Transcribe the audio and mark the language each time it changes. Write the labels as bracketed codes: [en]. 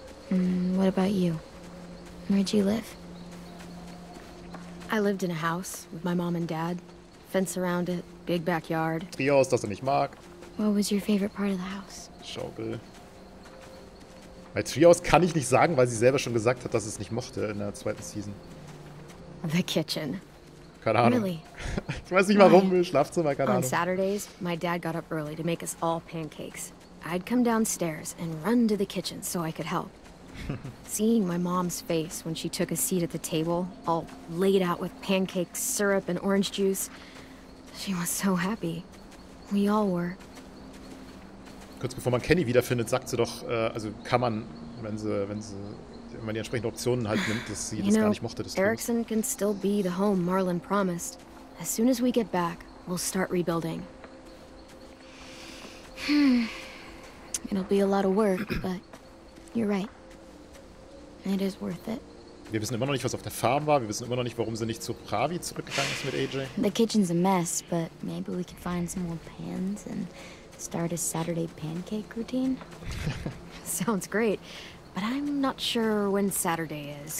[en] What about you? Where'd you live? I lived in a house with my mom and dad. Fence around it, big backyard. [de] Trios, das ich nicht mag. [en] What was your favorite part of the house? [de] Schaukel. Bei Trios kann ich nicht sagen, weil sie selber schon gesagt hat, dass es nicht mochte in der zweiten Season. [en] The kitchen. [de] Keine Ahnung. [en] Really? [de] Ich weiß nicht warum, im Schlafzimmer, keine Ahnung. [en] On Saturdays, my dad got up early to make us all pancakes. I'd come downstairs and run to the kitchen so I could help. Seeing my mom's face when she took a seat at the table, all laid out with pancakes, syrup, and orange juice. She was so happy. We all were. [de] Kurz bevor man Kenny wiederfindet, sagt sie doch, also kann man, wenn man die entsprechenden Optionen halt nimmt, dass sie das gar nicht mochte, das [en] Erickson tun. Can still be the home Marlon promised. As soon as we get back, we'll start rebuilding. It'll be a lot of work, but you're right. It is worth it. [de] Wir wissen immer noch nicht, was auf der Farm war. Wir wissen immer noch nicht, warum sie nicht zu Pravi zurückgegangen ist mit AJ. [en] The kitchen's a mess, but maybe we could find some more pans and start a Saturday pancake routine. Sounds great, but I'm not sure when Saturday is.